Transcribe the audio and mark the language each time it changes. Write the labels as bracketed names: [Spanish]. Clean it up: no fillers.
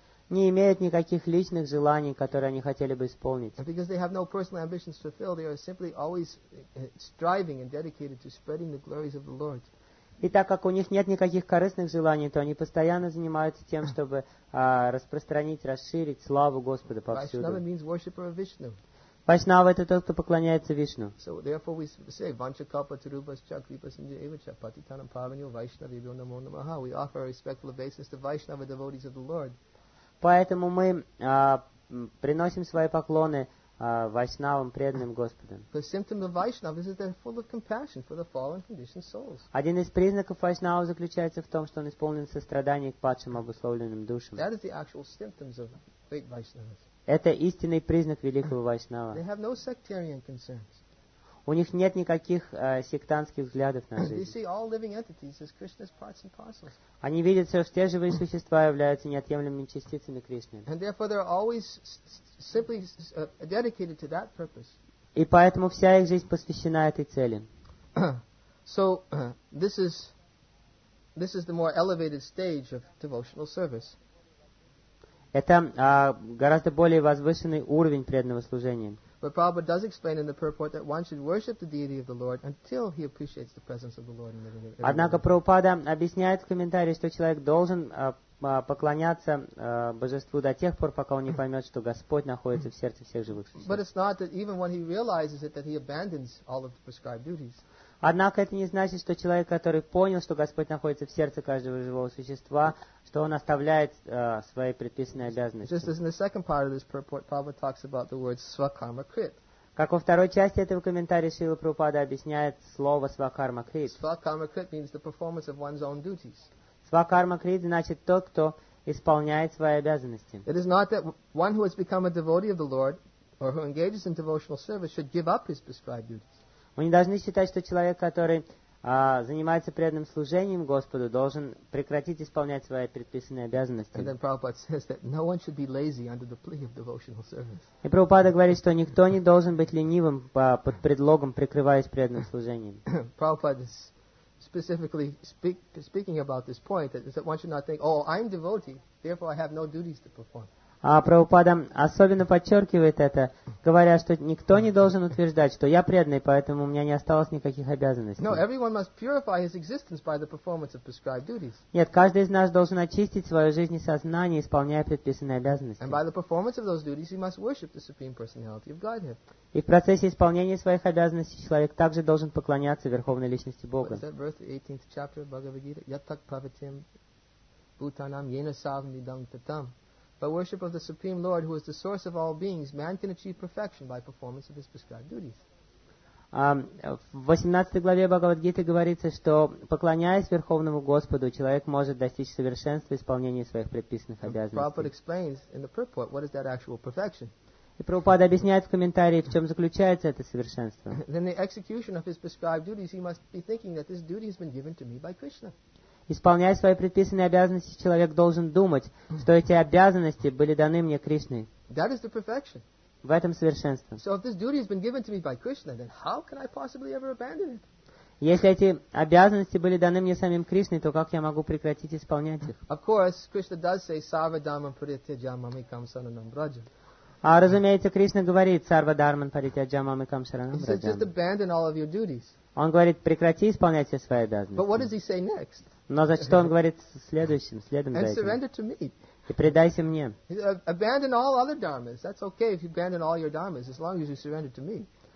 [Russian] Не имеют никаких личных желаний, которые они хотели бы исполнить. [English] Because they have no personal ambitions to fulfill, they are simply always striving and dedicated to spreading the glories of the Lord. [Russian] И так как у них нет никаких корыстных желаний, то они постоянно занимаются тем, чтобы распространить, расширить славу Господа повсюду. [English] Vaishnava means worshipper of Vishnu. [Russian] Vaishnava — это тот, кто поклоняется Вишну. [English] So therefore we say [Sanskrit] Vanchakalpa Tirubhas Chakripa Sanjayavacha Patitanam Pavanyo Vaishnavi Vyo Namo Namaha. [English] We offer our respectful obeisance to Vaishnava devotees of the Lord. [Russian] Поэтому мы приносим свои поклоны Вайшнавам, преданным Господом. [English] The symptom of Vaishnava is that they're full of compassion for the fallen conditioned souls. [Russian] Один из признаков Вайшнава заключается в том, что он исполнен сострадания к падшим обусловленным душам. [English] That is the actual symptoms of great Vaishnavas. [Russian] Это истинный признак великого Вайшнава. [English] They have no sectarian concerns. [Russian] У них нет никаких сектантских взглядов на жизнь. [English] They see all living entities as Krishna's parts and parcels. [Russian] Они видят все, что те живые существа являются неотъемлемыми частицами Кришны. [English] And therefore they're always simply dedicated to that purpose. [Russian] И поэтому вся их жизнь посвящена этой цели. [English] So this is the more elevated stage of devotional service. [Russian] Это гораздо более возвышенный уровень преданного служения. [English] But Prabhupada does explain in the purport that one should worship the deity of the Lord until he appreciates the presence of the Lord in the living. [Russian] Однако Прабхупада объясняет в комментарии, что человек должен поклоняться божеству до тех пор, пока он не поймет, что Господь находится в сердце всех живых существ. [English] But it's not that even when he realizes it that he abandons all of the prescribed duties. [Russian] Однако это не значит, что человек, который понял, что Господь находится в сердце каждого живого существа, что он оставляет свои предписанные обязанности. [English] Just as in the second part of this purport, Prabhupada talks about the word svakarma krit. [Russian] Как во второй части этого комментария Шрила Прабхупада объясняет слово свакарма крит. [English] Svakarma krit means the performance of one's own duties. [Russian] Svakarma krit значит тот, кто исполняет свои обязанности. [English] It is not that one who has become a devotee of the Lord or who engages in devotional service should give up his prescribed duties. [Russian] Мы не должны считать, что человек, который занимается преданным служением Господу, должен прекратить исполнять свои предписанные обязанности. [English] And then Prabhupada says that no one should be lazy under the plea of devotional service. [Russian] И Прабхупада говорит, что никто не должен быть ленивым под предлогом, прикрываясь преданным служением. [English] Prabhupada is specifically speaking about this point, that one should not think, oh, I'm devotee, therefore I have no duties to perform. [Russian] А Прабхупада особенно подчеркивает это, говоря, что никто не должен утверждать, что я преданный, поэтому у меня не осталось никаких обязанностей. [English] No, everyone must purify his existence by the performance of prescribed duties. [Russian] Нет, каждый из нас должен очистить свою жизнь и сознание, исполняя предписанные обязанности. [English] And by the performance of those duties, he must worship the Supreme Personality of Godhead. [Russian] И в процессе исполнения своих обязанностей человек также должен поклоняться Верховной Личности Бога. [English] What is that verse, the 18th chapter of Bhagavad-gita? [Sanskrit] Yattak pravatim bhutanam yena savnidam tatam. [English] By worship of the Supreme Lord, who is the source of all beings, man can achieve perfection by performance of his prescribed duties. [Russian] В 18 главе Бхагавад-гиты говорится, что поклоняясь Верховному Господу, человек может достичь совершенства исполнения своих предписанных обязанностей. [English] Prabhupada explains in the purport what is that actual perfection. [Russian] И Прабхупада объясняет в комментарии, в чем заключается это совершенство. [English] Then the execution of his prescribed duties, he must be thinking that this duty has been given to me by Krishna. [Russian] Исполняя свои предписанные обязанности, человек должен думать, что эти обязанности были даны мне Кришной. [English] That is the perfection. [Russian] В этом совершенство. [English] So if this duty has been given to me by Krishna, then how can I possibly ever abandon it? [Russian] Если эти обязанности были даны мне самим Кришной, то как я могу прекратить исполнять их? [English] Of course, Krishna does say [Sanskrit] sarva dharma parityajam amikam saranam braja. [Russian] А разумеется, Кришна говорит [Sanskrit] sarva dharma parityajam amikam saranam braja. [English] He says just abandon all of your duties. [Russian] Он говорит, прекрати исполнять все свои обязанности. [English] But what does he say next? [Russian] Но за что он говорит следующим, следом за этим? И предайся мне. [English] Abandon all other dharmas. That's okay if you abandon all your dharmas, as long as you surrender to me.